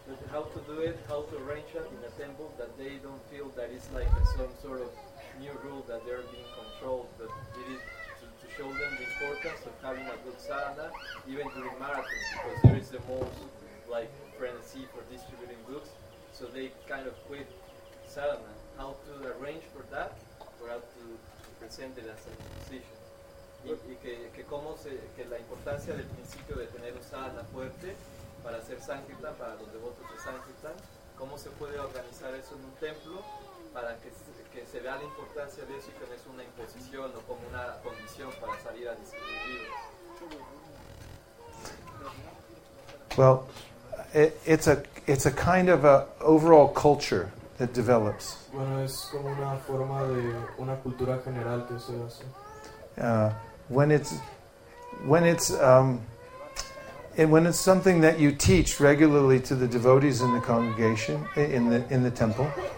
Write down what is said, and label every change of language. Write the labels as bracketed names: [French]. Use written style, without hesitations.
[English] But how to do it, how to arrange it in a temple that they don't feel that it's like some sort of new rule that they're being controlled, but it is to show them the importance of having a good sadhana, even during marathons, because there is the most like frenzy for distributing books, so they kind of quit sadhana. How to arrange for that, or how to present it as a position. [Spanish] Y que cómo se, que la importancia del principio de tener usada fuerte para hacer sankirtan, para los devotos de sankirtan, cómo se puede organizar eso en un templo para que se vea la importancia de eso y que no es una imposición o como una condición para salir a distribuir libros. [English] Well, it's a kind of a overall culture that develops. When it's something that you teach regularly to the devotees in the congregation in the temple.